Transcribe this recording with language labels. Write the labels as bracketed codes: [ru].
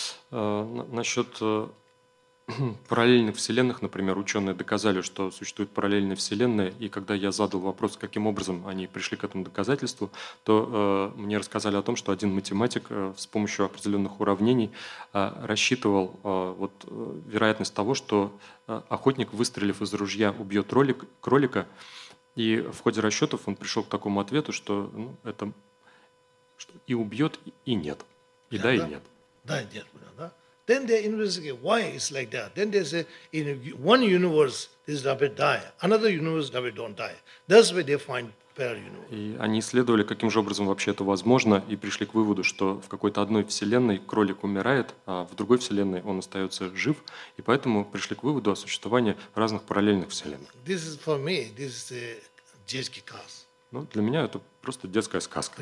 [ru] Насчет параллельных вселенных, например, ученые доказали, что существует параллельная вселенная, и когда я задал вопрос, каким образом они пришли к этому доказательству, то мне рассказали о том, что один математик с помощью определенных уравнений рассчитывал вот вероятность того, что охотник, выстрелив из ружья, убьет кролика, и в ходе расчетов он пришел к такому ответу, что ну, это что и убьет, и нет. И да, да, и нет. Да, и нет. Да? [en] Then they investigate why it's like that. Then they say, in one universe, this rabbit die. Another universe, rabbit don't die. That's where they find [ru] И они исследовали, каким же образом вообще это возможно, и пришли к выводу, что в какой-то одной вселенной кролик умирает, а в другой вселенной он остается жив, и поэтому пришли к выводу о существовании разных параллельных вселенных. [en] This is for me, this is a [ru] детский сказ. Ну, для меня это просто детская сказка.